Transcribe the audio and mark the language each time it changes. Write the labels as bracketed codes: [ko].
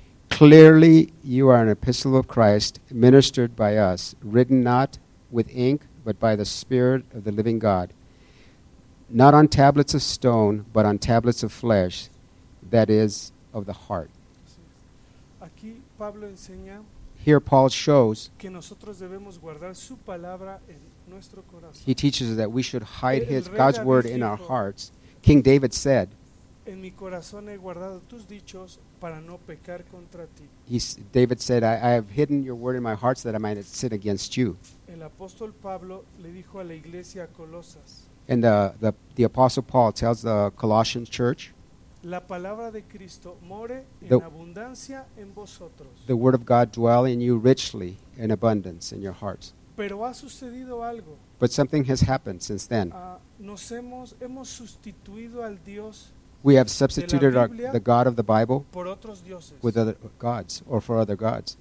[en] Clearly, you are an epistle of Christ, ministered by us, written not with ink, but by the Spirit of the living God. Not on tablets of stone, but on tablets of flesh, that is, of the heart. [es] Aquí Pablo enseña. [en] Here Paul shows [es] que nosotros debemos guardar su palabra en nuestro corazón. [en] He teaches that we should hide God's word in our hearts. King David said, [es] en mi corazón he guardado tus dichos para no pecar contra ti. [en] David said, I have hidden your word in my heart so that I might not sin against you. [es] El apóstol Pablo le dijo a la iglesia Colosas, [en] and the apostle Paul tells the Colossian church, [es] la palabra de Cristo more en abundancia en vosotros. [en] The word of God dwell in you richly in abundance in your hearts. [es] Pero ha sucedido algo. [en] But something has happened since then. [es] Hemos sustituido al Dios. [en] We have substituted the God of the Bible [es] por otros dioses. [en] With other gods or for other gods.